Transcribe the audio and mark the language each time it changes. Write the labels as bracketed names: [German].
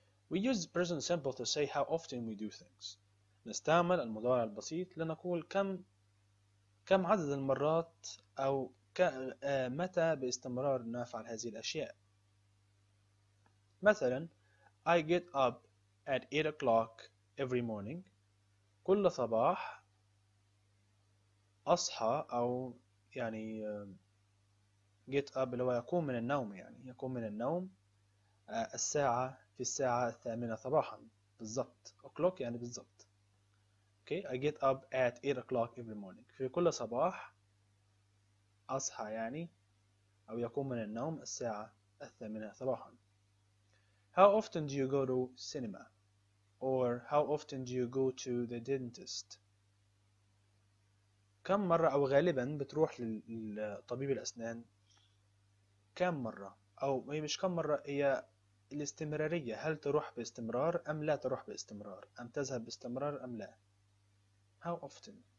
[English] We use the present simple to say how often we do things. [Arabic] نستعمل المضارع البسيط لنقول كم عدد المرات أو متى باستمرار نفعل هذه الأشياء. [English] مثلا I get up at 8 o'clock every morning. [Arabic] كل صباح أصحى أو يعني get up اللي هو يقوم من النوم يعني يقوم من النوم الساعة في الساعة 8 صباحا بالضبط o'clock يعني بالضبط. [English] Okay, I get up at 8 o'clock every morning. [Arabic] في كل صباح أصحى يعني أو يقوم من النوم الساعة 8 صباحا. [English] How often do you go to cinema? Or how often do you go to the dentist? [Arabic] كم مرة أو غالبا بتروح لطبيب الأسنان؟ كم مرة؟ أو هي مش كم مرة، هي الاستمرارية. هل تروح باستمرار أم لا تروح باستمرار؟ أم تذهب باستمرار أم لا؟ [English] How often?